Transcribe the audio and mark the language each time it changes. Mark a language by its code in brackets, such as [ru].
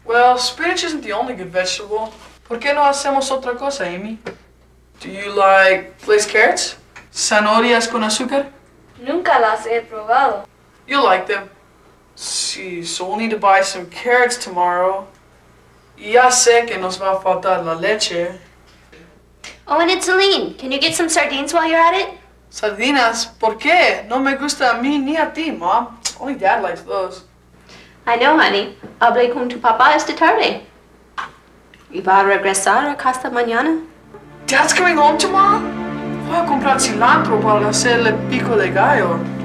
[en] Well, spinach isn't the only good vegetable. [es] ¿Por qué no hacemos otra cosa, Amy? [en] Do you like glazed carrots? [es] ¿Zanahorias con azúcar? Nunca las he probado. [en] You'll like them. See, so we'll need to buy some carrots tomorrow. [es] Ya sé que nos va a faltar la leche. [en] Oh, and Itzolín, can you get some sardines while you're at it? [es] Sardinas? ¿Por qué? No me gusta a mí ni a ti, Mom. [en] Only Dad likes those. I know, honey. [es] Hablé con tu papá esta tarde. ¿Y va a regresar a casa mañana? [en] Dad's coming home tomorrow? [es] Voy a comprar cilantro para hacerle pico de gallo.